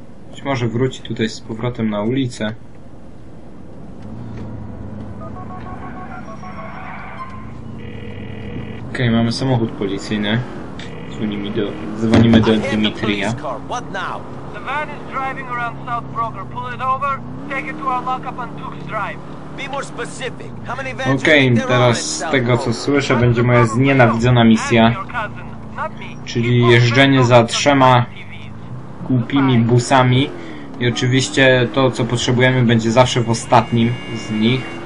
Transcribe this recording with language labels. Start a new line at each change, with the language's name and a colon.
Polish: Być może wróci tutaj z powrotem na ulicę. Okej, mamy samochód policyjny. Dzwonimy do Dimitrija.
English: The van is driving around South Broker. Pull it over. Take it to our lockup on Tuk's Drive. Be more specific. How many vans?
Polish: Okej, teraz z tego co słyszę, będzie moja znienawidzona misja. Czyli jeżdżenie za trzema głupimi busami. I oczywiście to co potrzebujemy będzie zawsze w ostatnim z nich.